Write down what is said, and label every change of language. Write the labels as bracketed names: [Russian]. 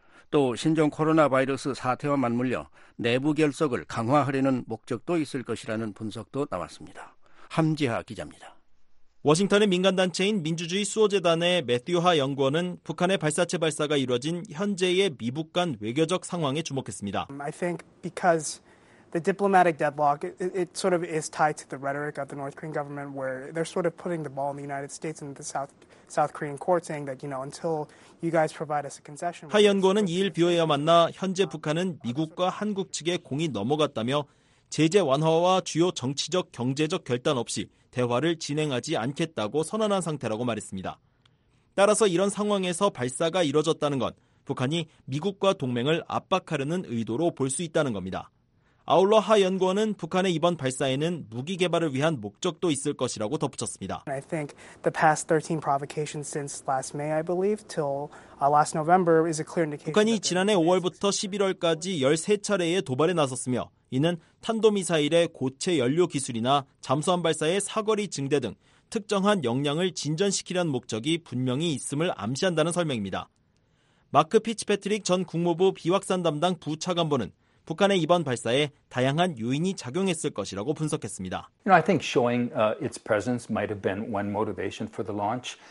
[Korean] 또 신종 코로나 바이러스 사태와 맞물려 내부 결속을 강화하려는 목적도 있을 것이라는 분석도 나왔습니다. 함지하 기자입니다. 워싱턴의 민간단체인 민주주의 수호재단의 매튜 하 연구원은 북한의 발사체 발사가 이뤄진 현재의 미북 간 외교적 상황에 주목했습니다. [English] I think because the diplomatic deadlock it sort of is tied to the rhetoric of the North Korean government where they're sort of putting the ball in the United States and the South Korean court saying that you know until you guys provide us a concession. [Korean] 하 연구원은 2일 뷰에와 만나 현재 북한은 미국과 한국 측의 공이 넘어갔다며 제재 완화와 주요 정치적 경제적 결단 없이 대화를 진행하지 않겠다고 선언한 상태라고 말했습니다. 따라서 이런 상황에서 발사가 이뤄졌다는 건 북한이 미국과 동맹을 압박하려는 의도로 볼 수 있다는 겁니다. 아울러 하 연구원은 북한의 이번 발사에는 무기 개발을 위한 목적도 있을 것이라고 덧붙였습니다. [English] I think the past 13 provocations since last May, I believe, till last November is a clear indication. [Korean] 북한이 지난해 5월부터 11월까지 13차례의 도발에 나섰으며 이는 탄도미사일의 고체 연료 기술이나 잠수함 발사의 사거리 증대 등 특정한 역량을 진전시키려는 목적이 분명히 있음을 암시한다는 설명입니다. 마크 피츠패트릭 전 국무부 비확산 담당 부차관보는 북한의 이번 발사에 다양한 요인이 작용했을 것이라고 분석했습니다. [English] You know, I think showing its presence might have been one motivation for the launch.